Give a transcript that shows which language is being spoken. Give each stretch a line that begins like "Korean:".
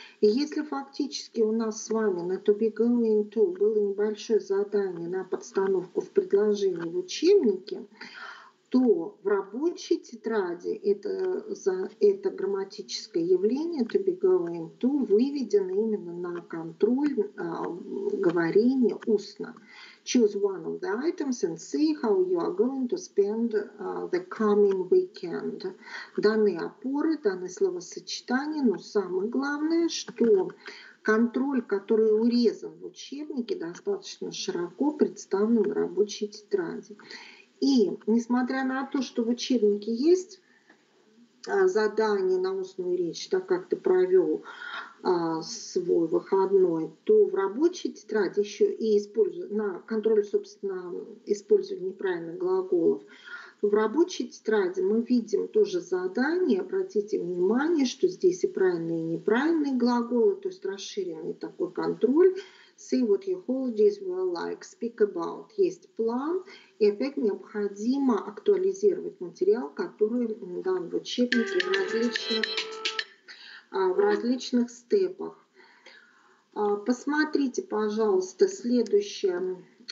Russian: И если фактически у нас с вами на To Be Going To было небольшое задание на подстановку в предложении в учебнике, то в рабочей тетради это грамматическое явление «to be going to» выведено именно на контроль говорения устно.
English: Choose one of the items and see how you are going to spend the coming weekend.
Russian: Данные опоры, данные словосочетания, но самое главное, что контроль, который урезан в учебнике, достаточно широко представлен в рабочей тетради. И несмотря на то, что в учебнике есть задание на устную речь, так как ты провел свой выходной, то в рабочей тетради еще и на контроль, собственно, использования неправильных глаголов, в рабочей тетради мы видим тоже задание. Обратите внимание, что здесь и правильные, и неправильные глаголы, то есть расширенный такой контроль.
English: See what your holidays were like, speak about.
Russian: Есть план, и опять необходимо актуализировать материал, который дан в учебнике в различных степах. Посмотрите, пожалуйста, следующее.